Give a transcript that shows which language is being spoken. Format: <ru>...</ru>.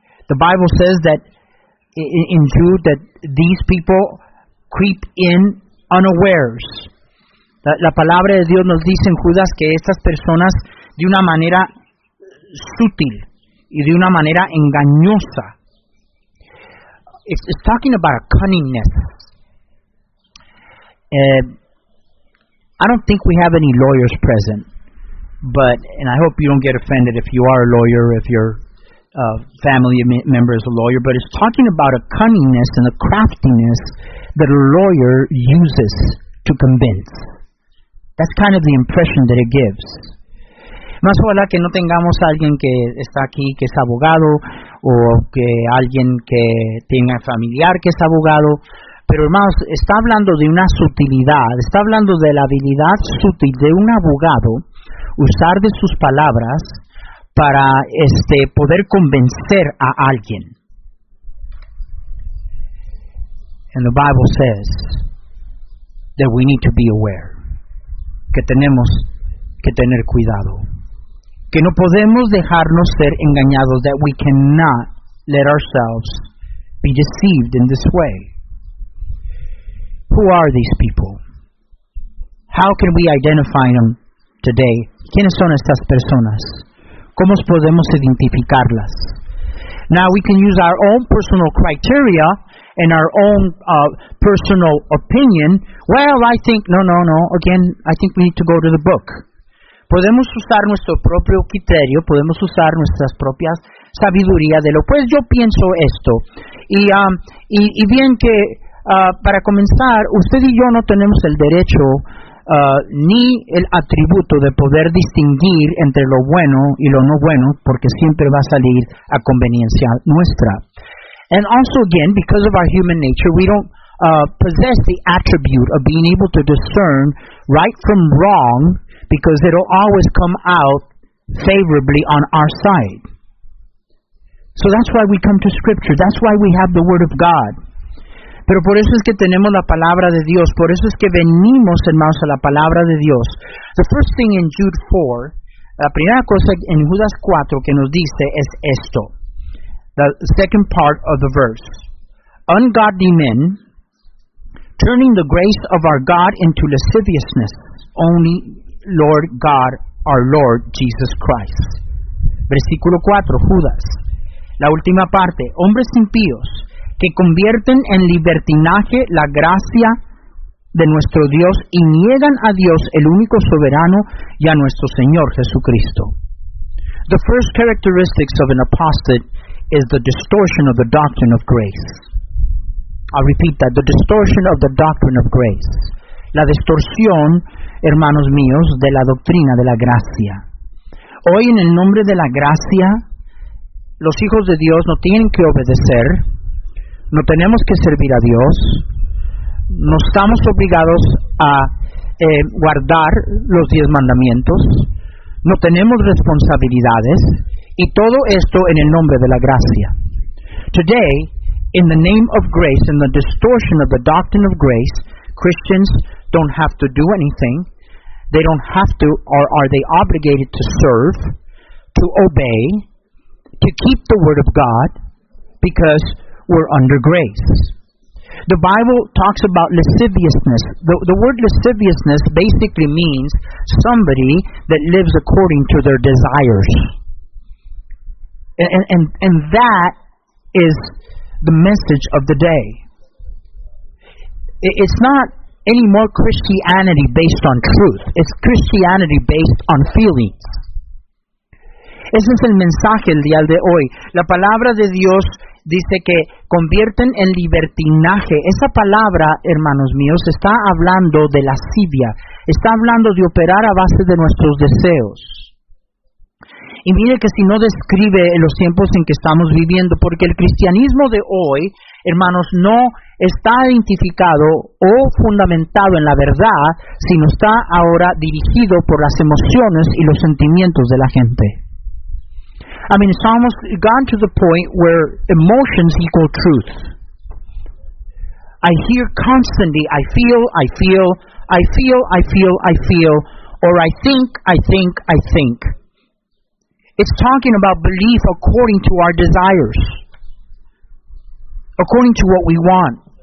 <en>The Bible says that in Jude that these people creep in unawares.</en> <es>La palabra de Dios nos dice en Judas que estas personas de una manera sutil y de una manera engañosa.</es> <en>It's talking about a cunningness. I don't think we have any lawyers present, but, and I hope you don't get offended if you are a lawyer, if your family member is a lawyer, but it's talking about a cunningness and a craftiness that a lawyer uses to convince. That's kind of the impression that it gives.</en> <es>Más ojalá que no tengamos alguien que está aquí que es abogado, o que alguien que tenga familiar que es abogado. Pero hermanos, está hablando de una sutilidad, está hablando de la habilidad sutil de un abogado usar de sus palabras para poder convencer a alguien.</es> <en>And the Bible says that we need to be aware,</en> <es>que tenemos que tener cuidado, que no podemos dejarnos ser engañados,</es> <en>that we cannot let ourselves be deceived in this way. Who are these people? How can we identify them today?</en> <es>¿Quiénes son estas personas? ¿Cómo podemos identificarlas?</es> <en>Now we can use our own personal criteria and our own personal opinion. Well, I think, no. Again, I think we need to go to the book.</en> <es>Podemos usar nuestro propio criterio, podemos usar nuestras propias sabiduría de lo pues yo pienso esto. Y bien que para comenzar, usted y yo no tenemos el derecho ni el atributo de poder distinguir entre lo bueno y lo no bueno, porque siempre va a salir a conveniencia nuestra.</es> <en>And also again, because of our human nature, we don't possess the attribute of being able to discern right from wrong, because it'll always come out favorably on our side. So that's why we come to Scripture. That's why we have the Word of God. Pero por eso es que tenemos la palabra de Dios. Por eso es que venimos, hermanos, a la palabra de Dios. The first thing in Jude 4, la primera cosa en Judas 4 que nos dice es esto. The second part of the verse. Ungodly men turning the grace of our God into lasciviousness, only Lord God, our Lord Jesus Christ.</en> <es>Versículo 4, Judas. La última parte, hombres impíos, que convierten en libertinaje la gracia de nuestro Dios y niegan a Dios, el único soberano, y a nuestro Señor Jesucristo.</es> <en>The first characteristics of an apostate is the distortion of the doctrine of grace. I repeat that, the distortion of the doctrine of grace.</en> <es>La distorsión, hermanos míos, de la doctrina de la gracia. Hoy, en el nombre de la gracia, los hijos de Dios no tienen que obedecer, no tenemos que servir a Dios, no estamos obligados a guardar los 10 mandamientos, no tenemos responsabilidades, y todo esto en el nombre de la gracia.</es> <en>Today, in the name of grace, in the distortion of the doctrine of grace, Christians don't have to do anything. They don't have to, or are they obligated to serve, to obey, to keep the word of God, because we're under grace. The Bible talks about lasciviousness. The word lasciviousness basically means somebody that lives according to their desires. And that is the message of the day. It's not any more Christianity based on truth. It's Christianity based on feelings.</en> <es>Ese es el mensaje el día de hoy. La palabra de Dios dice que convierten en libertinaje. Esa palabra, hermanos míos, está hablando de lascivia. Está hablando de operar a base de nuestros deseos. Y mire que si no describe los tiempos en que estamos viviendo, porque el cristianismo de hoy, hermanos, no está identificado o fundamentado en la verdad, sino está ahora dirigido por las emociones y los sentimientos de la gente.</es> <en>I mean, it's almost gone to the point where emotions equal truth. I hear constantly, I feel, I feel, I feel, I feel, I feel, or I think, I think, I think. It's talking about belief according to our desires, according to what we want.</en>